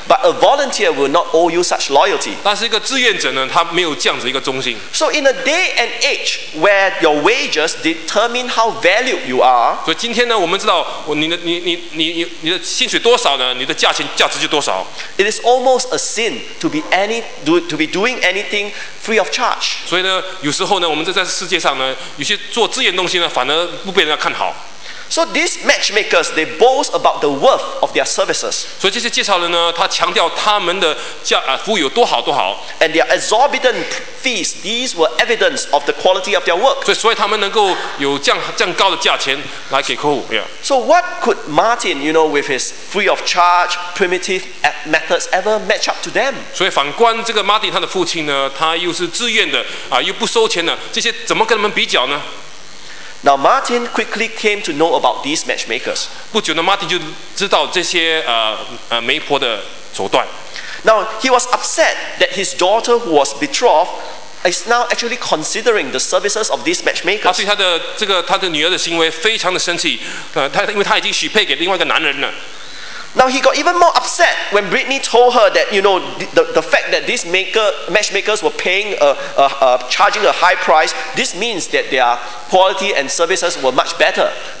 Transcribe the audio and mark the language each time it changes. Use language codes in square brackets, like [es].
[en] But a volunteer will not owe you such loyalty. [zh] 但是一个志愿者呢，他没有这样子一个忠心。 [en] So in a day and age where your wages determine how valued you are. [zh] 所以今天呢，我们知道，你的薪水多少呢？你的价钱价值就多少。 [en] It is almost a sin to be doing anything free of charge. [zh] 所以呢。有时候呢，我们在世界上呢，有些做志愿东西呢，反而不被人家看好。 [en] So these matchmakers, they boast about the worth of their services. [zh] 所以这些介绍人呢，他强调他们的价服务有多好多好。 [en] And their exorbitant fees, these were evidence of the quality of their work. [zh] 所以他们能够有这样高的价钱来给客户。 [en] Yeah. So what could Martin, you know, with his free of charge, primitive methods ever match up to them? [zh] 所以反观这个 Martin 他的父亲呢，他又是自愿的，又不收钱的，这些怎么跟他们比较呢？ [en] Now Martin quickly came to know about these matchmakers. [zh] 不久呢 ，Martin 就知道这些媒婆的手段。 [en] Now he was upset that his daughter, who was betrothed, is now actually considering the services of these matchmakers. [zh] 他对他的女儿的行为非常的生气，因为他已经许配给另外一个男人了。 [en] Now he got even more upset when Britney told her that, you know, the fact that these matchmakers were paying charging a high price, this means that their quality and services were much better.